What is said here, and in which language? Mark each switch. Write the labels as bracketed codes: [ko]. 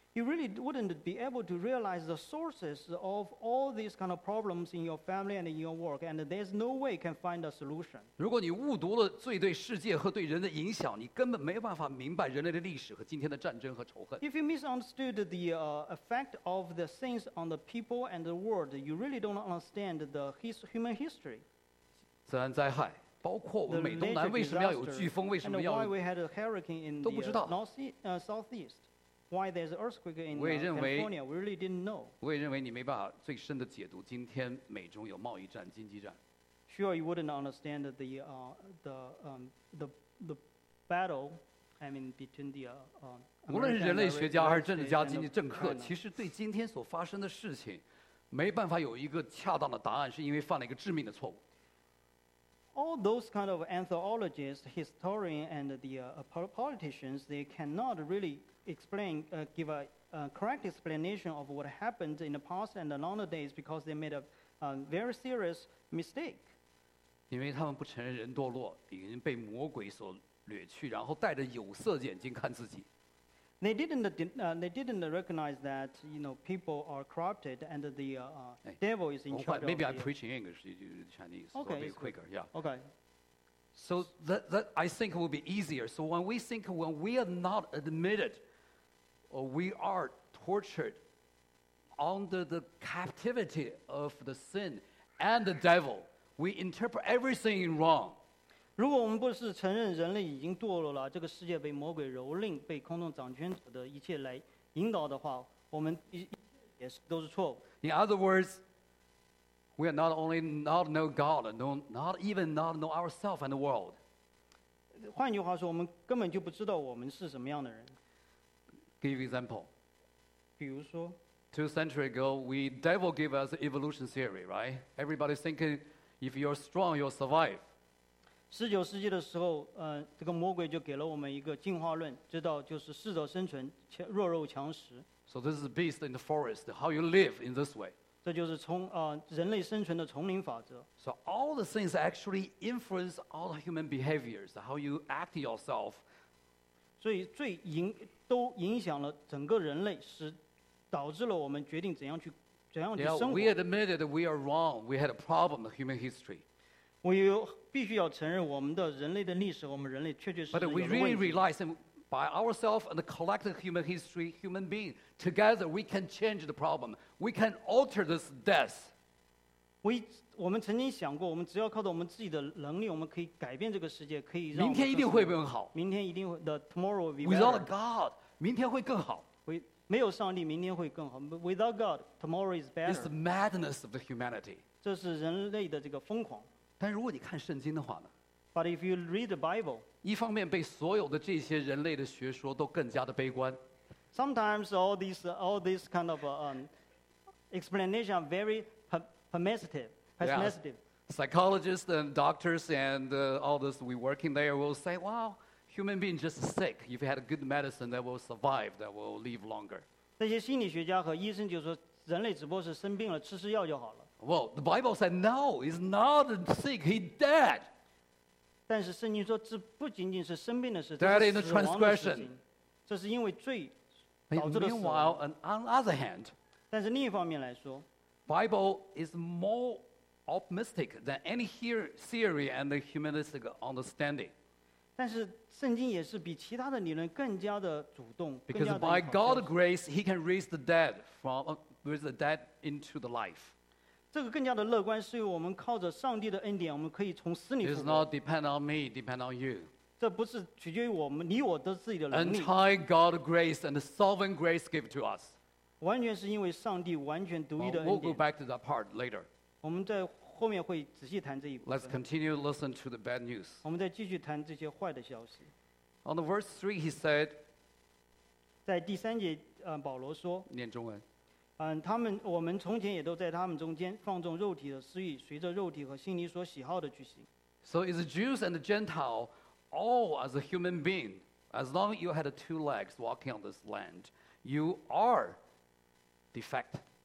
[en] You really wouldn't be able to realize the sources of all these kind of problems in your family and in your work, and there's no way you can find a solution. [zh] 如果你误读了罪对世界和对人的影响，你根本没办法明白人类的历史和今天的战争和仇恨。 [en] If you misunderstood the effect of the sins on the people and the world, you really don't understand the human history. [zh] 自然灾害，包括我们美东南为什么要有飓风，为什么要 [en] ？And why we had a hurricane in the southeast? Why there's an earthquake in California? We really didn't know. [zh] 我也认为你没办法最深的解读今天美中有贸易战、经济战。 [en] Sure, you wouldn't understand the battle. I mean, between the [zh] 无论是人类学家还是政治家、经济政客，其实对今天所发生的事情，没办法有一个恰当的答案，是因为犯了一个致命的错误。 [en] All those kind of anthropologists, historians, and the politicians, they cannot really. give a correct explanation of what happened in the past and the longer days because they made a very serious mistake. [zh] 因为他们不承认人堕落，已经被魔鬼所掠去，然后戴着有色眼镜看自己。 [en] They didn't recognize that you know people are corrupted and the devil is in charge. Maybe I'm preaching English to Chinese. Okay, it's quicker. Yeah. Okay. So that I think will be easier. So when we think when we are not admitted, or we are tortured under the captivity of the sin and the devil, we interpret everything wrong. [zh] 如果我们不是承认人类已经堕落了，这个世界被魔鬼蹂躏，被空中掌权者的一切来引导的话，我们也是都是错误。 [en] In other words. We are not only not know God, not even not know ourselves and the world. [zh] 换句话说，我们根本就不知道我们是什么样的人。 [en] Give example. [zh] 比如说。 [en] Two centuries ago, the devil gave us evolution theory, right? Everybody's thinking, if you're strong, you'll survive. [zh] 十九世纪的时候，这个魔鬼就给了我们一个进化论，知道就是适者生存，弱肉强食。 [en] So this is a beast in the forest. How you live in this way? [zh] 这就是从人类生存的丛林法则。 [en] So all the things actually influence all the human behaviors, how you act yourself. [zh] 所以最都影响了整个人类，使导致了我们决定怎样去生活。 [en] Yeah, we admitted we are wrong. We had a problem in human history. [zh] 我有必须要承认我们的人类的历史，我们人类确确实实有的问题。 [en] But we really realize that by ourselves and the collective human history, human being, together we can change the problem. We can alter this death. [zh] 我们曾经想过，我们只要靠着我们自己的能力，我们可以改变这个世界，可以让明天一定会更好。明天一定会 [en] the tomorrow will be better. Without God, [zh] 明天会更好。没有上帝，明天会更好。 [en] Without God, tomorrow is better. It's the madness of the humanity. [zh] 这是人类的这个疯狂。但如果你看圣经的话呢 [en] ？But if you read the Bible, [zh] 一方面被所有的这些人类的学说都更加的悲观。 [en] Sometimes all these kind of explanation are very pessimistic. Yeah. Psychologists and doctors and all those we work in there will say, "Wow, human being just sick. If you had a good medicine, that will survive. That will live longer." [zh] 那些心理学家和医生就说，人类只不过是生病了，吃吃药就好了。 [en] Well, the Bible said, no, he's not sick, he's dead. [zh] 但是圣经说这不仅仅是生病的事，这是死亡的事情。这是因为罪导致的死亡。 [en] Meanwhile, on the other hand, [zh] 但是另一方面来说， [en] Bible is more optimistic than any theory and the humanistic understanding. [zh] 但是圣经也是比其他的理论更加的主动。 [en] Because by God's grace, he can raise the dead from raise the dead into the life. [zh] 这个更加的乐观，是因为我们靠着上帝的恩典，我们可以从死里复活。 [en] It's not depend on me, depend on you. [zh] 这不是取决于我们，你我的自己的能力。 [en] Entire God's grace and sovereign grace give to us. [zh] 完全是因为上帝完全独一的恩典。 [en] Well, we'll go back to that part later. [zh] 我们在后面会仔细谈这一部分。 [en] Let's continue to listen to the bad news. [zh] 我们再继续谈这些坏的消息。 [en] On the verse 3, he said. [zh] 在第三节，保罗说。念中文。他们我们从前也都在他们中间放纵肉体的私欲，随着肉体和心里所喜好的举行。 [en] So is Jews and Gentile all as a human being, as long as you had two legs walking on this land, you are defect.